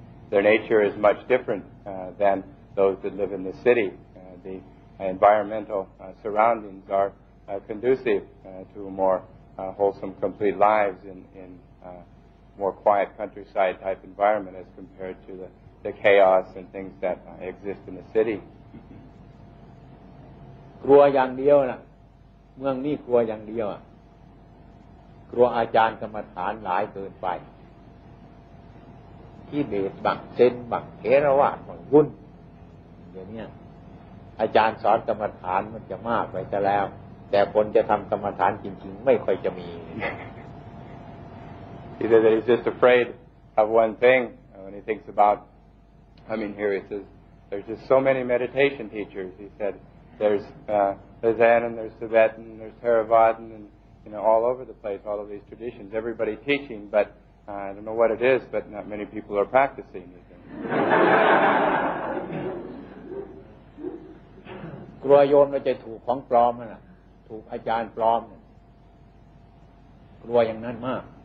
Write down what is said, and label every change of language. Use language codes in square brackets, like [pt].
[en] their nature is much different than those that live in the city the environmental surroundings are conducive to a morewholesome, complete lives in more quiet countryside type environment as compared to the chaos and things that exist in the city. [th] กลัวอย่างเดียวนะเมืองนี้กลัวอย่างเดียวอ่ะกลัวอาจารย์กรรมฐานหลายเกินไปที่เบสบังเซนบังเทระวาดบังวุ่น เดี๋ยวนี้อาจารย์สอนกรรมฐานมันจะมากไปซะแล้วแต่คนจะทำกรรมฐานจริงๆไม่ค่อยจะมี [en] He says that he's just afraid of one thing when he thinks about here he says there's just so many meditation teachers he said there's Zen and there's Tibetan and there's Theravadan and you know all over the place all of these traditions everybody teaching butI don't know what it is, but not many people are practicing. [th] กลัวโยมจะถูกของปลอมน่ะถูกอาจารย์ปลอมกลัวอย่างนั้นมาก